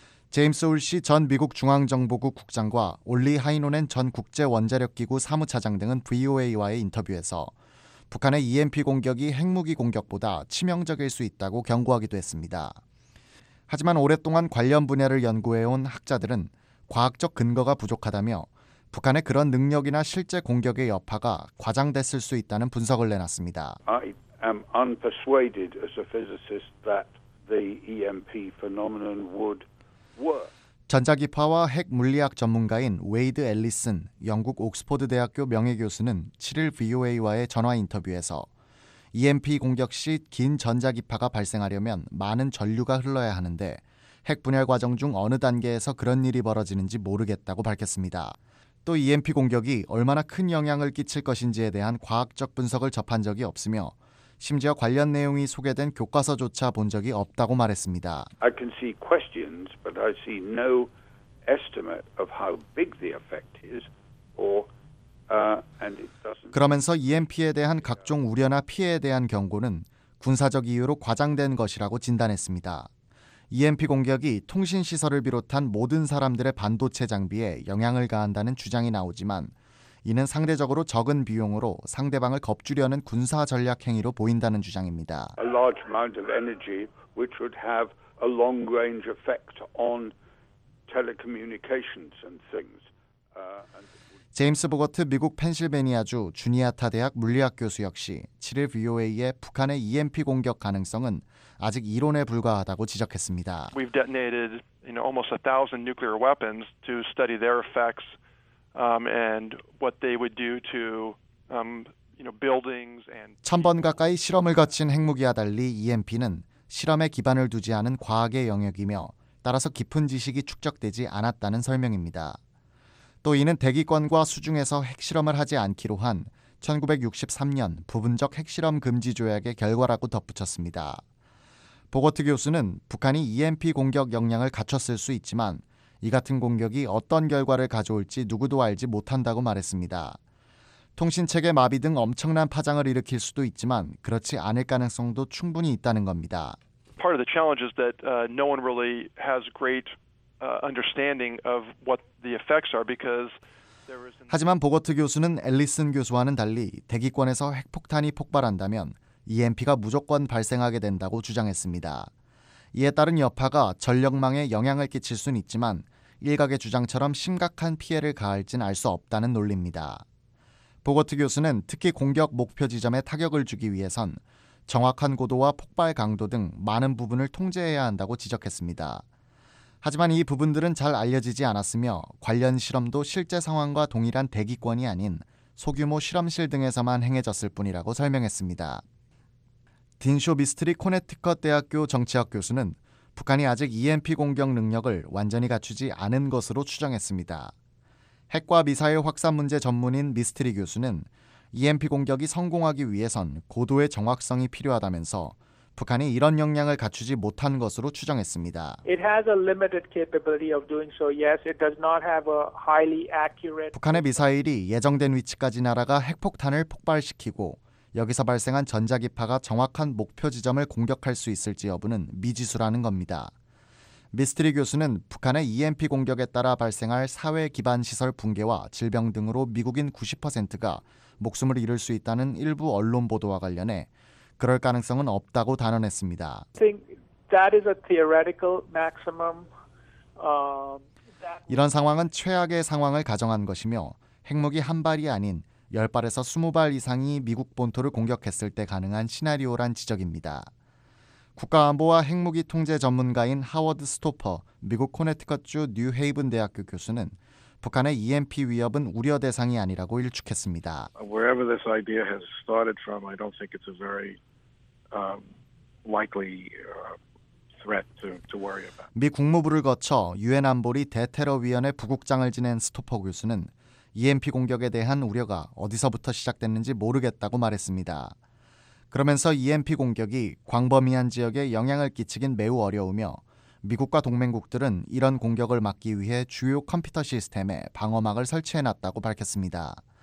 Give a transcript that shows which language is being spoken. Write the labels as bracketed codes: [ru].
[ko] 제임스 울시 전 미국 중앙정보국 국장과 올리 하이노넨 전 국제원자력기구 사무차장 등은 VOA와의 인터뷰에서 북한의 EMP 공격이 핵무기 공격보다 치명적일 수 있다고 경고하기도 했습니다. 하지만 오랫동안 관련 분야를 연구해온 학자들은 과학적 근거가 부족하다며 북한의 그런 능력이나 실제 공격의 여파가 과장됐을 수 있다는 분석을 내놨습니다. [en] I am unpersuaded as a physicist that the EMP phenomenon would work. [ko] 전자기파와 핵 물리학 전문가인 웨이드 앨리슨, 영국 옥스퍼드 대학교 명예교수는 7일 VOA와의 전화 인터뷰에서 EMP 공격 시 긴 전자기파가 발생하려면 많은 전류가 흘러야 하는데 핵 분열 과정 중 어느 단계에서 그런 일이 벌어지는지 모르겠다고 밝혔습니다. 또 EMP 공격이 얼마나 큰 영향을 끼칠 것인지에 대한 과학적 분석을 접한 적이 없으며 심지어 관련 내용이 소개된 교과서조차 본 적이 없다고 말했습니다. [en] I can see questions, but I see no estimate of how big the effect is or and it doesn't. [ko] 그러면서 EMP에 대한 각종 우려나 피해에 대한 경고는 군사적 이유로 과장된 것이라고 진단했습니다. EMP 공격이 통신 시설을 비롯한 모든 사람들의 반도체 장비에 영향을 가한다는 주장이 나오지만 이는 상대적으로 적은 비용으로 상대방을 겁주려는 군사 전략 행위로 보인다는 주장입니다. [en] A large amount of energy which would have a long-range effect on telecommunications and things. [ko] 제임스 보거트 미국 펜실베니아주 주니아타 대학 물리학 교수 역시 7일 VOA에 북한의 EMP 공격 가능성은 아직 이론에 불과하다고 지적했습니다. [en] We've detonated, you know, almost 1,000 nuclear weapons to study their effects. And what they would do to, you know, buildings and. [ko] 1,000번 가까이 실험을 거친 핵무기와 달리 EMP는 실험에 기반을 두지 않은 과학의 영역이며 따라서 깊은 지식이 축적되지 않았다는 설명입니다. 또 이는 대기권과 수중에서 핵실험을 하지 않기로 한 1963년 부분적 핵실험 금지 조약의 결과라고 덧붙였습니다. 보거트 교수는 북한이 EMP 공격 역량을 갖췄을 수 있지만 이 같은 공격이 어떤 결과를 가져올지 누구도 알지 못한다고 말했습니다. 통신체계 마비 등 엄청난 파장을 일으킬 수도 있지만 그렇지 않을 가능성도 충분히 있다는 겁니다. [en] Part of the challenge is that no one really has great understanding of what the effects are because there is. [ko] 하지만 보거트 교수는 앨리슨 교수와는 달리 대기권에서 핵폭탄이 폭발한다면 EMP가 무조건 발생하게 된다고 주장했습니다. 이에 따른 여파가 전력망에 영향을 끼칠 수는 있지만 일각의 주장처럼 심각한 피해를 가할진 알 수 없다는 논리입니다. 보거트 교수는 특히 공격 목표 지점에 타격을 주기 위해선 정확한 고도와 폭발 강도 등 많은 부분을 통제해야 한다고 지적했습니다. 하지만 이 부분들은 잘 알려지지 않았으며 관련 실험도 실제 상황과 동일한 대기권이 아닌 소규모 실험실 등에서만 행해졌을 뿐이라고 설명했습니다. 딘쇼 미스트리 코네티컷 대학교 정치학 교수는 북한이 아직 EMP 공격 능력을 완전히 갖추지 않은 것으로 추정했습니다. 핵과 미사일 확산 문제 전문인 미스트리 교수는 EMP 공격이 성공하기 위해선 고도의 정확성이 필요하다면서 북한이 이런 역량을 갖추지 못한 것으로 추정했습니다. [en] It has a limited capability of doing so. Yes, it does not have a highly accurate. [ko] 북한의 미사일이 예정된 위치까지 날아가 핵폭탄을 폭발시키고 여기서 발생한 전자기파가 정확한 목표 지점을 공격할 수 있을지 여부는 미지수라는 겁니다. 미스트리 교수는 북한의 EMP 공격에 따라 발생할 사회 기반 시설 붕괴와 질병 등으로 미국인 90%가 목숨을 잃을 수 있다는 일부 언론 보도와 관련해 그럴 가능성은 없다고 단언했습니다. [en] I think that is a theoretical maximum. [ko] 이런 상황은 최악의 상황을 가정한 것이며 핵무기 한 발이 아닌 10발에서 20발 이상이 미국 본토를 공격했을 때 가능한 시나리오란 지적입니다. 국가안보와 핵무기 통제 전문가인 하워드 스토퍼, 미국 코네티컷주 뉴헤이븐 대학교 교수는 북한의 EMP 위협은 우려 대상이 아니라고 일축했습니다. [en] Wherever this idea has started from, I don't think it's a very likely threat to worry about. [ko] 미 국무부를 거쳐 유엔 안보리 대테러위원회 부국장을 지낸 스토퍼 교수는 EMP 공격에 대한 우려가 어디서부터 시작됐는지 모르겠다고 말했습니다. 그러면서 EMP 공격이 광범위한 지역에 영향을 끼치긴 매우 어려우며 미국과 동맹국들은 이런 공격을 막기 위해 주요 컴퓨터 시스템에 방어막을 설치해놨다고 밝혔습니다.